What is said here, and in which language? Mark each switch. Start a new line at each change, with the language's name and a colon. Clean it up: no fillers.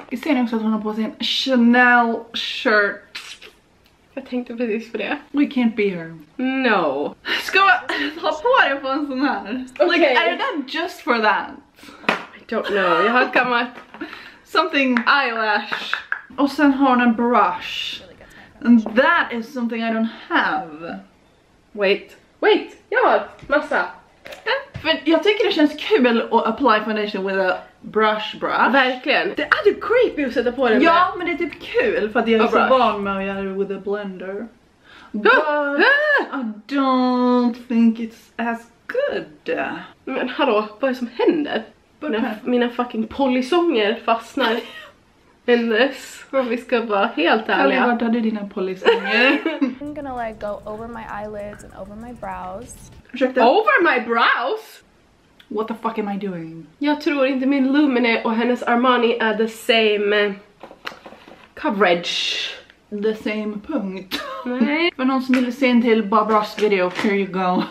English: You see, I'm also wearing a Chanel shirt.
Swedish: Jag tänkte precis på det.
English: We can't be her. No.
Swedish: Ska jag ta på dig på en sån här?
English: Okay. Like, are that just for that? I don't know.
Swedish: Jag har kammat
English: something eyelash.
Swedish: Och sen har hon en brush.
English: And that is something I don't have. Wait. Wait!
Swedish: Jag har massa. För jag tycker det känns kul att
English: apply foundation with a brush.
Swedish: Verkligen. Det är typ creepy att sätta på den. Ja, med. Men det är typ kul för att jag är så van med att göra det
English: with a blender. But I don't think it's as good.
Swedish: Men hallå, vad är det som händer? Mina fucking polisonger fastnar
English: in this.
Swedish: Om vi ska vara helt ärliga. Kan du ta dina polisonger?
English: I'm gonna like go over my eyelids and over my brows. Over my brows? What the fuck am I doing?
Swedish: Jag tror inte min Lumine och hennes Armani är
English: the same coverage. The same punkt.
Swedish: Nej. För någon som vill se en till Bob Ross video,
English: here you go.